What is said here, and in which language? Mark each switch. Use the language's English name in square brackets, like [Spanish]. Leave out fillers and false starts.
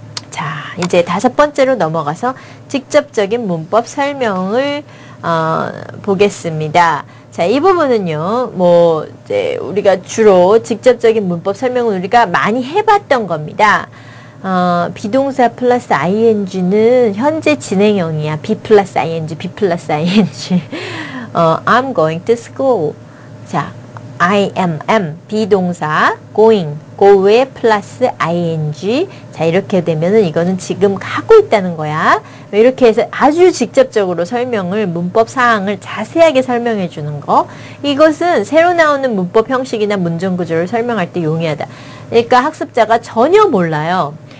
[Korean] 자, 이제 다섯 번째로 넘어가서 직접적인 문법 설명을 보겠습니다. 자, 이 부분은요, 뭐 이제 우리가 주로 직접적인 문법 설명을 우리가 많이 해봤던 겁니다. 비동사 플러스 ing는 현재 진행형이야. [English] be 플러스 ing, be 플러스 ing. I'm going to school. [Korean] 자, [English] I am, [Korean] 비동사 going, go에 플러스 ing. 자, 이렇게 되면은 이거는 지금 하고 있다는 거야. 이렇게 해서 아주 직접적으로 설명을, 문법 사항을 자세하게 설명해 주는 거. 이것은 새로 나오는 문법 형식이나 문장 구조를 설명할 때 용이하다. 그러니까 학습자가 전혀 몰라요.